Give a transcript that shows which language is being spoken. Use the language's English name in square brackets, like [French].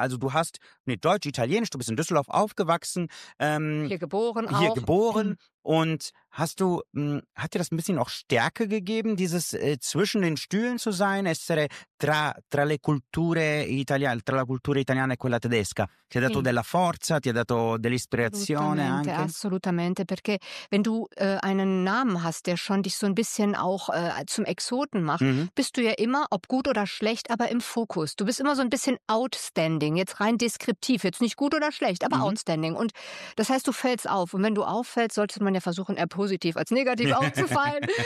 [German] Also du hast, deutsch-italienisch, du bist in Düsseldorf aufgewachsen. Hier geboren auch. Hier geboren. Und hat dir das ein bisschen auch Stärke gegeben, dieses zwischen den Stühlen zu sein, [Italian] essere tra le culture italiane, tra la cultura italiana e quella tedesca? Ti ha dato della forza, ti ha dato dell'ispirazione anche? Assolutamente, perché [German] wenn du einen Namen hast, der schon dich so ein bisschen auch zum Exoten macht, bist du ja immer, ob gut oder schlecht, aber im Fokus. Du bist immer so ein bisschen outstanding, jetzt rein deskriptiv, jetzt nicht gut oder schlecht, aber outstanding. Und das heißt, du fällst auf. Und wenn du auffällst, solltest man ja versuchen, eher positiv als negativ aufzufallen.